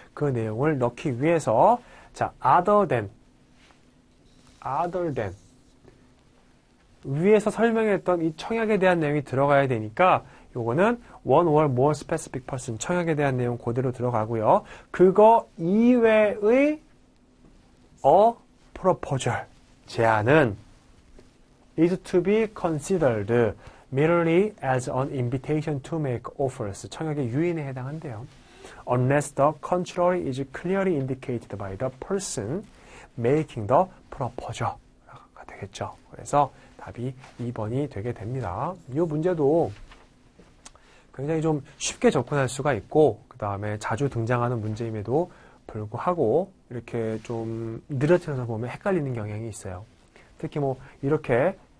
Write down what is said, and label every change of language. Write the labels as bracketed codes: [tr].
[ko] 그 내용을 넣기 위해서 자 other than 위에서 설명했던 이 청약에 대한 내용이 들어가야 되니까 요거는 [en] one or more specific person [ko] 청약에 대한 내용 그대로 들어가고요. 그거 이외의 [en] a proposal 제안은 is to be considered merely as an invitation to make offers. [ko] 청약의 유인에 해당한대요. [en] Unless the contrary is clearly indicated by the person making the proposal [ko] 가 되겠죠. 그래서 답이 2번이 되게 됩니다. 이 문제도 굉장히 좀 쉽게 접근할 수가 있고 그 다음에 자주 등장하는 문제임에도 불구하고 이렇게 좀 늘어져서 보면 헷갈리는 경향이 있어요. 특히 뭐 이렇게